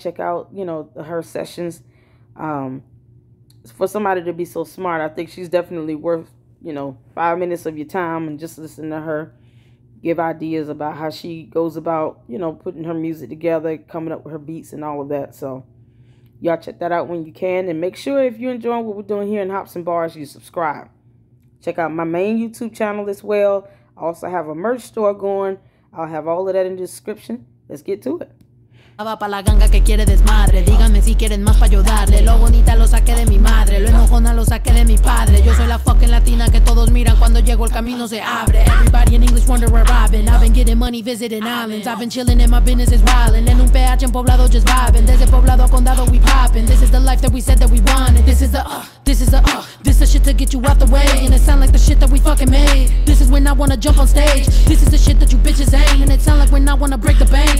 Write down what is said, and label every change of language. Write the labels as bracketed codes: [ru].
[en] Check out, you know, her sessions. For somebody to be so smart, I think she's definitely worth, you know, 5 minutes of your time and just listen to her give ideas about how she goes about, you know, putting her music together, coming up with her beats and all of that. So y'all check that out when you can. And make sure if you're enjoying what we're doing here in Hops and Bars, you subscribe. Check out my main YouTube channel as well. I also have a merch store going. I'll have all of that in the description. Let's get to it. [es] Va pa la ganga que quiere desmadre, díganme si quieren más pa ayudarle. Lo bonita lo saqué de mi madre, lo enojona lo saqué de mi padre. Yo soy la fucking latina que todos miran cuando llego el camino se abre. [en] Everybody in English wonder where I've been getting money visiting islands. I've been chilling and my business is wildin'. [es] En un PH en poblado [en] just vibing. [es] Desde poblado a condado [en] we poppin'. This is the life that we said that we wanted. This is the shit to get you out the way. And it sound like the shit that we fucking made. This is when I wanna jump on stage. This is the shit that you bitches ain't. And it sound like when I wanna break the bank.